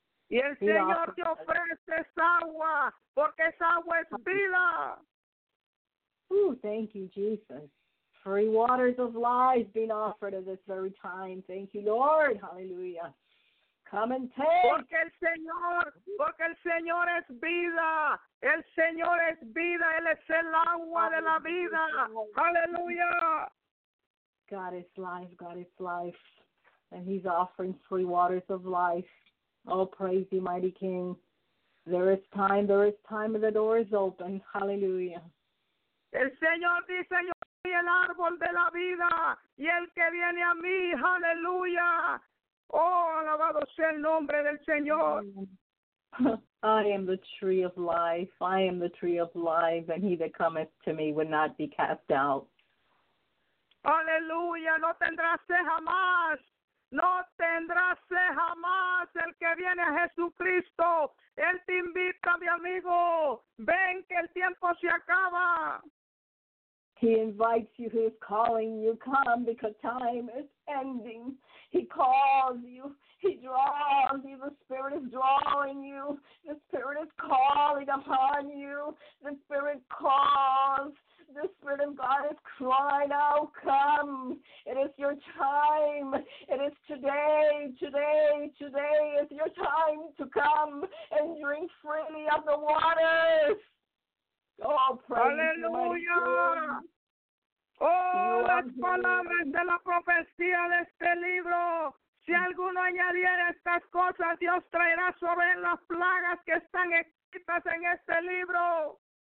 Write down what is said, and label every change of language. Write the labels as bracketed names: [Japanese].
[Spanish] Y el Señor te ofrece esa agua, porque esa agua es vida. [English] Ooh, thank you, Jesus. Free waters of life being offered at this very time. Thank you, Lord. Hallelujah. Come and take. [Spanish] Porque el Señor es vida. El Señor es vida. Él es el agua de la vida. Aleluya. [English] God is life. God is life. And he's offering free waters of life. Oh, praise the mighty King. There is time. There is time. And the door is open. Hallelujah. [Spanish] El Señor dice, yo soy el árbol de la vida. Y el que viene a mí. Aleluya. Oh, alabado sea el nombre del Señor. [English] I am the tree of life. I am the tree of life, and he that cometh to me would not be cast out. [Spanish] Aleluya, no tendrás jamás. No tendrás jamás el que viene a Jesucristo. Él te invita, mi amigo. Ven que el tiempo se acaba. [English] He invites you, he is calling you, come, because time is ending. He calls you, he draws you, the Spirit is drawing you, the Spirit is calling upon you, the Spirit calls, the Spirit of God is crying out, come, it is your time, it is today, today, today is your time to come and drink freely of the waters. Oh, hallelujah. [Spanish] Oh, las palabras de la profecía de este libro. Si alguno añadiera estas cosas, Dios traerá sobre las plagas que están escritas en este libro.